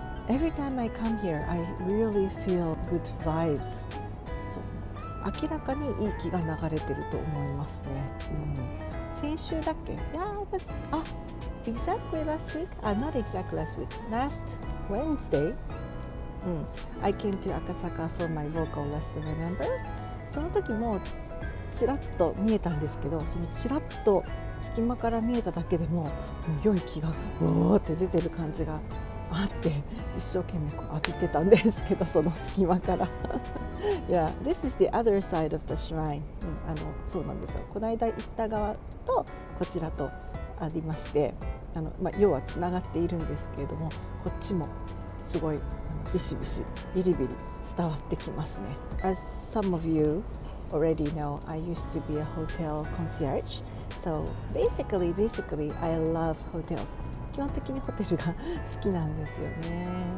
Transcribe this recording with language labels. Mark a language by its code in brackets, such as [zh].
[en] Every time I come here, I really feel good vibes. [ja] So, 明らかにいい気が流れてると思いますね。先週だっけ? [en] Yeah, it was, exactly last week? Not exactly last week. Last Wednesday, I came to Akasaka for my vocal lesson, remember? [ja] その時もちらっと見えたんですけど、そのちらっと隙間から見えただけでも良い気がうおーって出てる感じがあって、一生懸命こう浴びてたんですけど、その隙間から [en] Yeah, this is the other side of the shrine、 [ja] そうなんですよ、この間行った側とこちらとありまして、要はつながっているんですけれども、こっちもすごいビシビシビリビリ伝わってきますね。 [en] As some of you already know, I used to be a hotel concierge. So basically, I love hotels. [ja] 基本的にホテルが好きなんですよね。